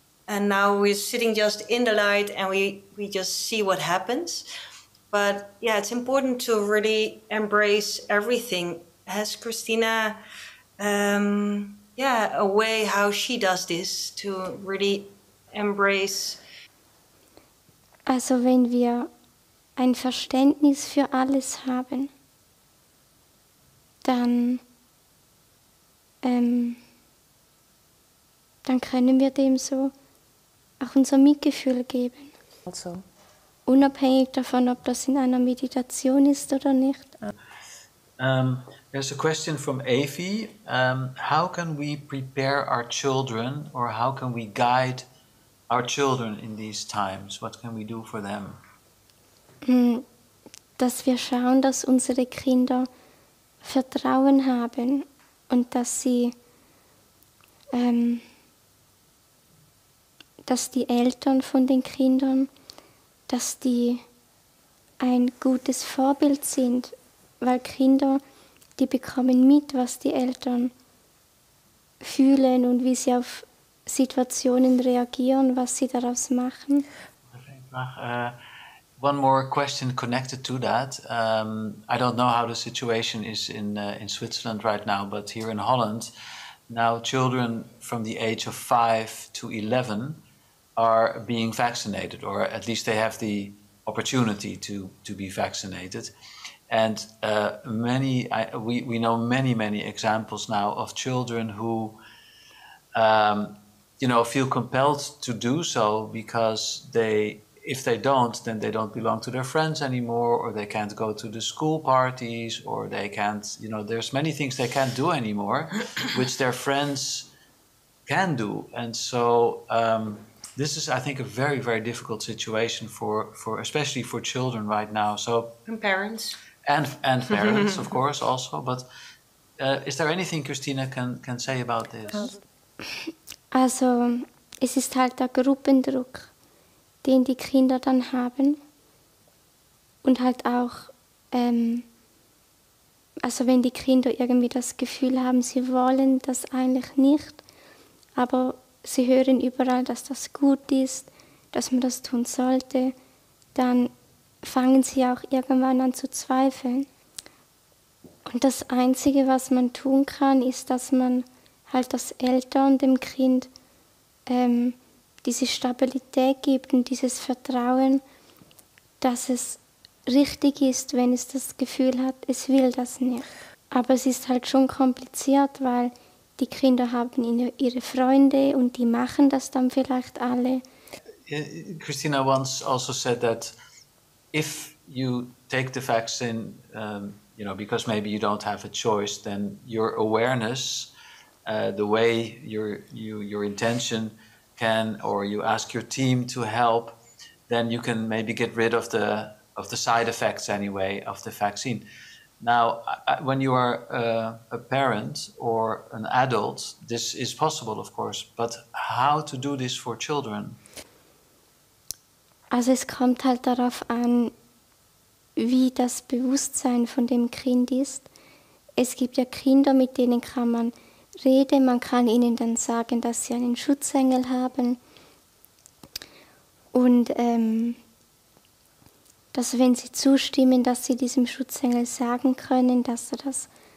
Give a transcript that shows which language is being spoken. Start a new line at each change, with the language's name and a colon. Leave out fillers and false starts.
English: And now we're sitting just in the light and we just see what happens. But yeah, it's important to really embrace everything. Has Christina a way how she does this to really embrace?
German: Also wenn wir ein Verständnis für alles haben, dann können wir dem so auch unser Mitgefühl geben. Also. Unabhängig davon, ob das in einer Meditation ist oder nicht.
English: There's a question from Afi. How can we prepare our children or how can we guide our children in these times? What can we do for them?
German: Dass wir schauen, dass unsere Kinder Vertrauen haben und dass sie dass die Eltern von den Kindern, dass die ein gutes Vorbild sind, weil Kinder, die bekommen mit, was die Eltern fühlen und wie sie auf Situationen reagieren, was sie daraus machen.
English: One more question connected to that. I don't know how the situation is in Switzerland right now, but here in Holland, now children from the age of 5 to 11 are being vaccinated, or at least they have the opportunity to be vaccinated. And we know many, many examples now of children who, feel compelled to do so because if they don't, then they don't belong to their friends anymore, or they can't go to the school parties, or they can't, you know, there's many things they can't do anymore, which their friends can do. And so, this is, I think, a very, very difficult situation for especially for children right now. So and parents. And parents, of course, also. But is there anything Christina can say about this?
German: Also, es ist halt der Gruppendruck, den die Kinder dann haben. Und halt auch, also wenn die Kinder irgendwie das Gefühl haben, sie wollen das eigentlich nicht, aber sie hören überall, dass das gut ist, dass man das tun sollte, dann fangen sie auch irgendwann an zu zweifeln. Und das Einzige, was man tun kann, ist, dass man halt das Eltern dem Kind diese Stabilität gibt und dieses Vertrauen, dass es richtig ist, wenn es das Gefühl hat, es will das nicht. Aber es ist halt schon kompliziert, weil die Kinder haben ihre Freunde und die machen das dann vielleicht alle.
English: Christina once also said that if you take the vaccine, because maybe you don't have a choice, then your awareness, the way your intention can, or you ask your team to help, then you can maybe get rid of the side effects anyway of the vaccine. Now, when you are a parent or an adult, this is possible, of course, but how to do this for children?
German: Also es kommt halt darauf an, wie das Bewusstsein von dem Kind ist. Es gibt ja Kinder, mit denen kann man reden, man kann ihnen dann sagen, dass sie einen Schutzengel haben. Und dass wenn sie zustimmen, dass sie diesem Schutzengel sagen können, dass er das